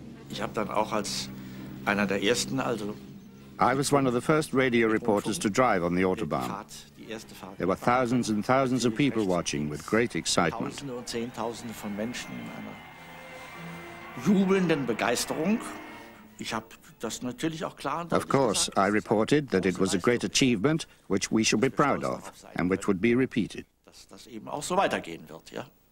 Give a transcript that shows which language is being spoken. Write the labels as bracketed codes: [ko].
[de] Ich habe dann auch als einer der ersten, also [en] I was one of the first radio reporters to drive on the Autobahn. There were thousands and thousands of people watching with great excitement. [de] Tausende von Menschen in einer jubelnden Begeisterung. Ich habe das natürlich auch klar. [en] Of course, I reported that it was a great achievement, which we should be proud of, and which would be repeated. [de] Dass das eben auch so weitergehen wird, ja.